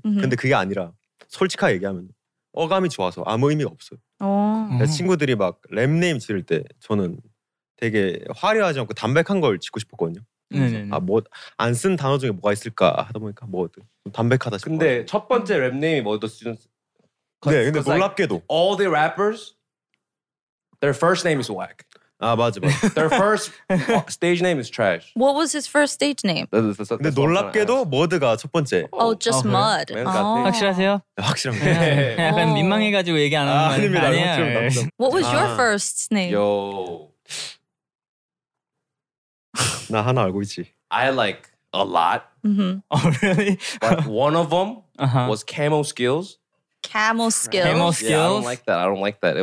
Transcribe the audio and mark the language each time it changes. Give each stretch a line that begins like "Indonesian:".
Korean: 근데 그게 아니라 솔직하게 얘기하면 어감이 좋아서 아무 의미가 없어요. 친구들이 막 랩 네임 지을 때 저는 되게 화려하지 않고 담백한 걸 짓고 싶었거든요. 아, 뭐 안 쓴 단어 중에 뭐가 있을까 하다 보니까 Mud 담백하다 싶어. 근데 첫 번째 랩 네임이 Mud the Student. 네, 근데 놀랍게도
English: like, All the rappers, their first name is whack.
Korean: 아 맞아 맞아.
English: Their first stage name is trash. What was his first stage name? That's
Korean: 근데 놀랍게도 머드가 첫 번째.
English: Oh, just mud.
Korean: 확실하세요? 확실합니다. 약간 민망해가지고 얘기 안 하는 거 아니에요?
English: What was your first name? Yo.
Korean: 나 하나 알고 있지.
English: I like a lot. Oh really? But one of them was Camel Skills. Camel Skills. Camel Skills. Yeah, I don't like that. I don't like that.